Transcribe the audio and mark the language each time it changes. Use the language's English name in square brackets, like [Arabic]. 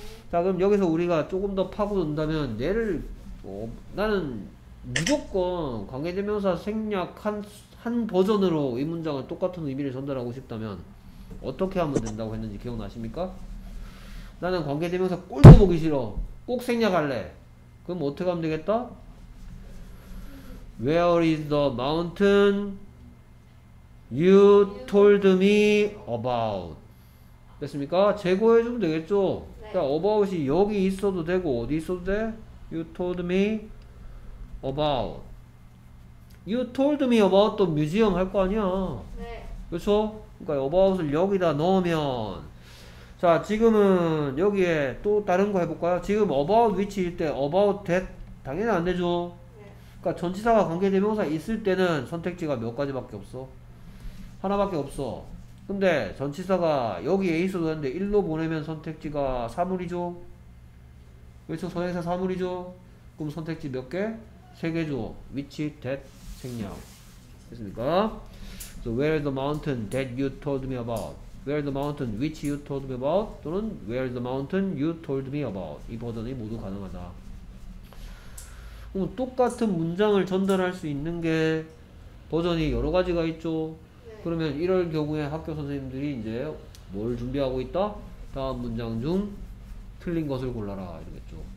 [Korean] 자, 그럼 여기서 우리가 조금 더 파고든다면 얘를 나는 무조건 관계대명사 생략한 한 버전으로 이 문장을 똑같은 의미를 전달하고 싶다면 어떻게 하면 된다고 했는지 기억나십니까? 나는 관계대명사 꼴도 보기 싫어. 꼭 생략할래. 그럼 어떻게 하면 되겠다? [English] Where is the mountain you told me about? [Korean] 됐습니까? 제거해주면 되겠죠? 그러니까 about이 여기 있어도 되고 어디 있어도 돼? [English] You told me about. You told me about the museum [Korean] 할거 아니야. 그렇죠? 그러니까 about을 여기다 넣으면 자 지금은 여기에 또 다른 거 해볼까요? 지금 about which일 때 about that 당연히 안 되죠. 그러니까 전치사가 관계대명사 있을 때는 선택지가 몇 가지밖에 없어. 하나밖에 없어. 근데 전치사가 여기에 있어도 되는데 일로 보내면 선택지가 사물이죠. 그렇죠. 선행사 사물이죠. 그럼 선택지 몇 개? 세 개죠. which, that, 생략. 됐습니까? [English] So where is the mountain that you told me about? Where is the mountain which you told me about? [Korean] 또는 [English] where is the mountain you told me about? [Korean] 이 버전이 모두 가능하다. 그럼 똑같은 문장을 전달할 수 있는 게 버전이 여러 가지가 있죠. 그러면 이럴 경우에 학교 선생님들이 이제 뭘 준비하고 있다? 다음 문장 중 틀린 것을 골라라 이러겠죠.